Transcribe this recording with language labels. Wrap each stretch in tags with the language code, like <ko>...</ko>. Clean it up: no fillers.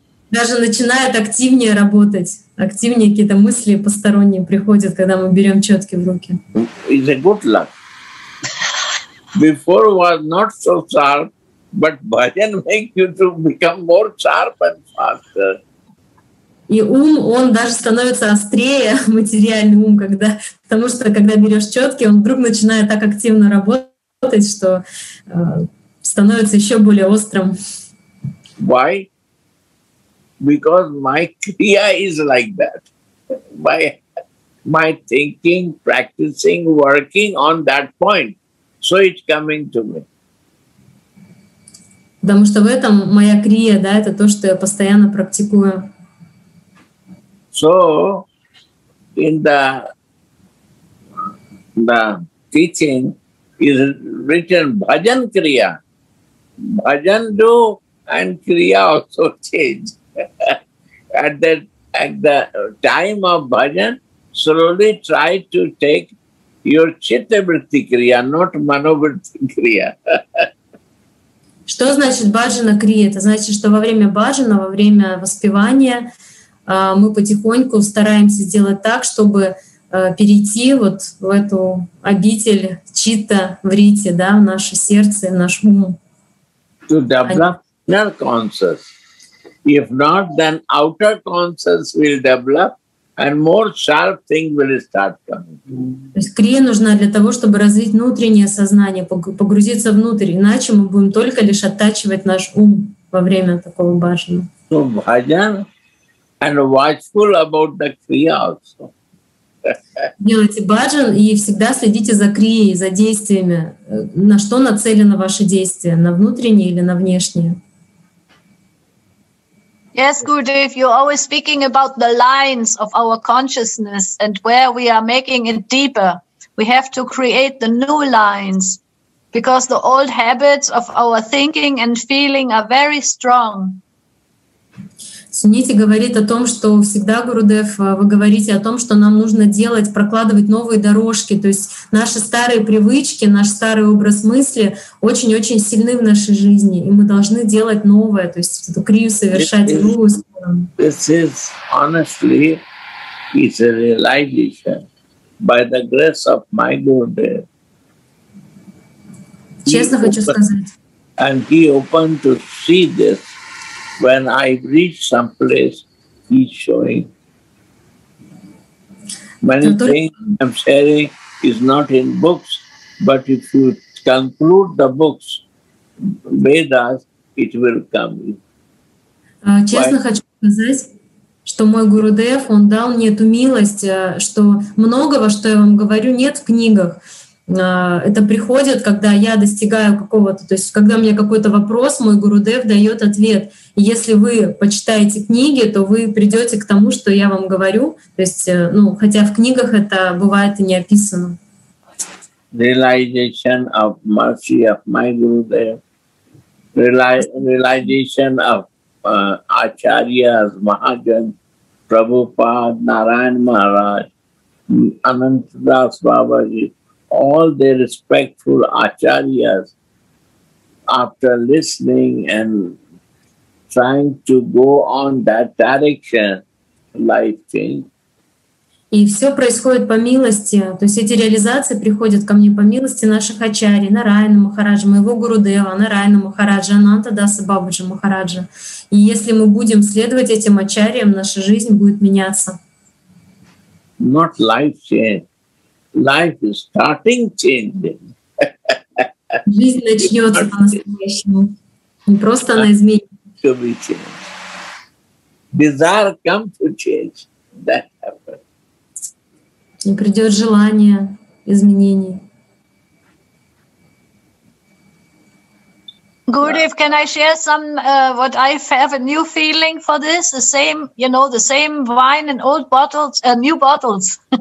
<ru>Даже начинает активнее работать. Активнее какие-то мысли посторонние приходят, когда мы берем четки в руки.</ru> <en>It's a good luck. Before was not so sharp, but bhajan make you to become more sharp and faster.</en> <ru>И ум, он даже становится острее, материальный ум, когда, потому что когда берешь четки, он вдруг начинает так активно работать, что становится еще более острым.</ru> <en>Why? Because my kriya is like that. My thinking, practicing, working on that point. So it's coming to me.</en> <ru>Потому что в этом моя крия, да, это то, что я постоянно практикую.</ru> <en>So in the teaching is written bhajan kriya. Bhajan do and kriya also change. at the time of bhajan, slowly try to take your chitta vritti kriya, not manovritti kriya.</en> <ru>Что значит баджана крия? Это значит, что во время баджана, во время воспевания мы потихоньку стараемся сделать так, чтобы перейти вот в эту обитель чита вритти, да, в наше сердце, в наш ум.</ru> <en>To develop inner conscious. If not, then outer conscious will develop. And more sharp thing will start coming.</en> <ru>То есть крия нужна для того, чтобы развить внутреннее сознание, погрузиться внутрь. Иначе мы будем только лишь оттачивать наш ум во время такого баджана. So bhajan and watchful about the kriya also. Делайте баджан и всегда следите за крией, за действиями. На что нацелено ваше действие? На внутреннее или на внешнее?</ru> <en>Yes, Gurudev, you're always speaking about the lines of our consciousness and where we are making it deeper. We have to create the new lines because the old habits of our thinking and feeling are very strong.</en> <ru>Суньити говорит о том, что всегда, Гурудев, вы говорите о том, что нам нужно делать, прокладывать новые дорожки. То есть наши старые привычки, наш старый образ мысли очень-очень сильны в нашей жизни, и мы должны делать новое, то есть эту крию совершать в другую сторону.</ru> <en>This is honestly it's a realization by the grace of my Gurudev.</en> <ru>Честно хочу сказать.</ru> <en>And he open to see this. When I reach some place, he's showing. Many things I'm sharing is not in books, but if you conclude the books, Vedas, it will come in.</en> <ru>Честно хочу сказать, что мой Гурудев, он дал мне эту милость, что многого, что я вам говорю, нет в книгах. Это приходит, когда я достигаю какого-то, то есть когда мне какой-то вопрос, мой Гурудев дает ответ. Если вы почитаете книги, то вы придете к тому, что я вам говорю. То есть, ну, хотя в книгах это бывает и не описано.</ru> <en>Realization of mercy of my Gurudev, realization of Acharyas, Mahajan, Prabhupada, Narayan Maharaj, Anantadas Babaji. All their respectful acharyas, after listening and trying to go on that direction, life change.</en> <ru>И все происходит по милости, то есть эти реализации приходят ко мне по милости наших ачарий, Нараяна Махараджа, моего Гурудева, Нараяна Махараджа, Ананта Даса Бабаджи Махараджа. И если мы будем следовать этим ачарьям, наша жизнь будет меняться.</ru> <en>Not life change. Life is starting changing.</en> <ru>Жизнь начнется по-настоящему. Не просто она изменится.</ru> <en>Desire comes to change. That happens.</en> <ru>И придет желание изменений.</ru> <en>Gurudev, can I share some what I have a new feeling for this? The same, you know, the same wine in old bottles, new bottles.</en>